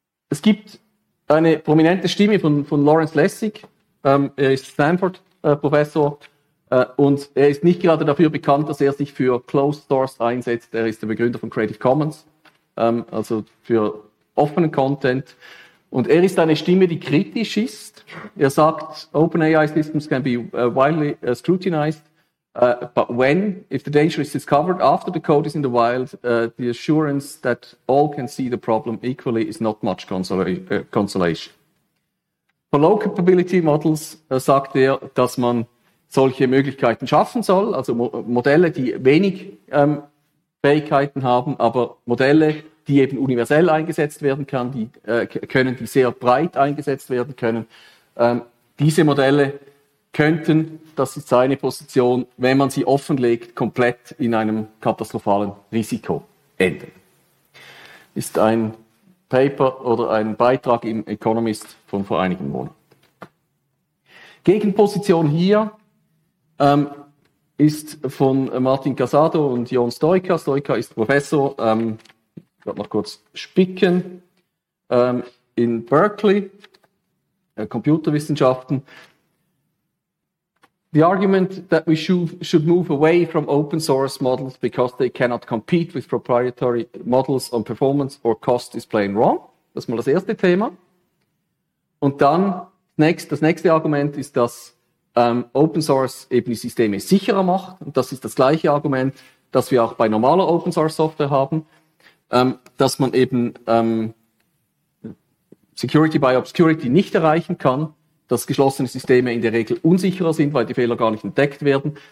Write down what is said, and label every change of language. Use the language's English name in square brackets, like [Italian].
[German] Es gibt eine prominente Stimme von Lawrence Lessig, er ist Stanford Professor und er ist nicht gerade dafür bekannt, dass er sich für Closed Source einsetzt. Er ist der Begründer von Creative Commons, also für offenen Content. Und er ist eine Stimme, die kritisch ist. Er sagt, [English] OpenAI systems can be widely scrutinized, but when, if the danger is discovered after the code is in the wild, the assurance that all can see the problem equally is not much consolation. For local capability models [German] sagt er, dass man solche Möglichkeiten schaffen soll, also Modelle, die wenig Fähigkeiten haben, aber Modelle, die eben universell eingesetzt werden können, die sehr breit eingesetzt werden können. Diese Modelle könnten, das ist seine Position, wenn man sie offenlegt, komplett in einem katastrophalen Risiko enden. Ist ein Paper oder einen Beitrag im Economist von vor einigen Monaten. Gegenposition hier, ist von Martin Casado und Jon Stoika. Stoika ist Professor, ich werde noch kurz spicken, in Berkeley, Computerwissenschaften. [English] The argument that we should move away from open source models because they cannot compete with proprietary models on performance or cost is plain wrong. [German] Das ist mal das erste Thema. Und dann das nächste Argument ist, dass Open Source eben die Systeme sicherer macht. Und das ist das gleiche Argument, das wir auch bei normaler Open Source Software haben, dass man eben Security by Obscurity nicht erreichen kann, dass geschlossene Systeme in der Regel unsicherer sind, weil die Fehler gar nicht entdeckt werden.